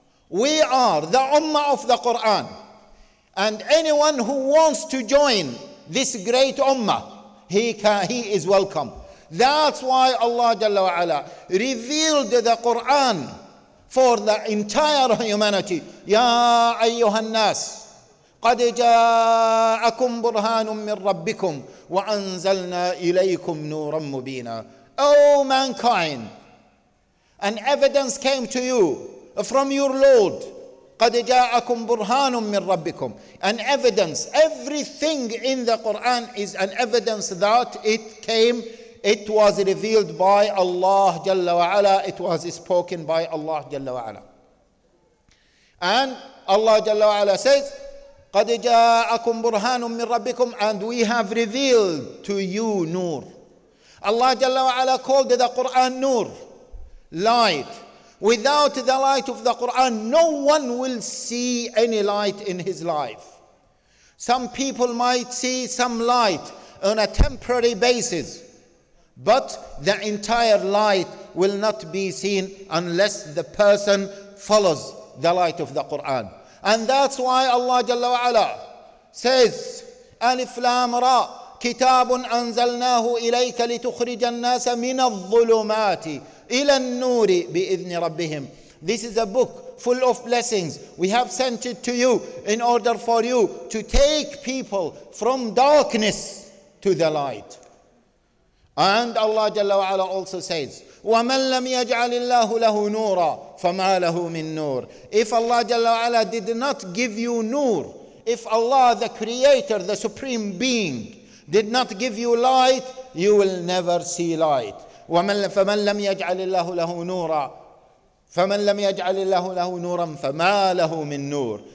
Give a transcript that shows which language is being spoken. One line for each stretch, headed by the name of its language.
English: We are the Ummah of the Quran. And anyone who wants to join this great Ummah, he is welcome. That's why Allah Jalla wa Ala revealed the Quran for the entire humanity.
Arabic: Ya ayyuhan nas, قَدْ جَاءَكُمْ بُرْهَانٌ مِّن رَبِّكُمْ وَأَنزَلْنَا إِلَيْكُمْ نُورًا مُّبِينًا.
English: O mankind, an evidence came to you from your Lord.
Arabic: قَدْ جَاءَكُمْ بُرْهَانٌ مِّن رَبِّكُمْ.
English: An evidence, everything in the Quran is an evidence that it came, it was revealed by Allah Jalla wa Ala, it was spoken by Allah Jalla wa Ala. And Allah Jalla wa Ala says,
Arabic: قَدْ جَاءَكُمْ بُرْهَانٌ مِّن رَبِّكُمْ.
English: And we have revealed to you Noor. Allah Jalla wa Ala called the Quran Noor, light. Without the light of the Quran, no one will see any light in his life. Some people might see some light on a temporary basis, but the entire light will not be seen unless the person follows the light of the Quran. And that's why Allah Jalla wa Ala says, Alif Lam Ra.
Arabic: كتاب أنزلناه إليك لتخرج الناس من الظلمات إلى النور بإذن ربهم.
English: This is a book full of blessings. We have sent it to you in order for you to take people from darkness to the light. And Allah Jalla wa Ala also says,
Arabic: وَمَنْ لَمْ يَجْعَلِ اللَّهُ لَهُ نُورًا فَمَا لَهُ مِنْ نُورٍ.
English: If Allah Jalla wa Ala did not give you nur, if Allah the Creator, the Supreme Being, did not give you light, you will never see light.
Arabic: فَمَنْ لَمْ يَجْعَلِ اللَّهُ لَهُ نُورًا فَمَنْ لَمْ يَجْعَلِ اللَّهُ لَهُ نُورًا فَمَا لَهُ مِنْ نُورٍ.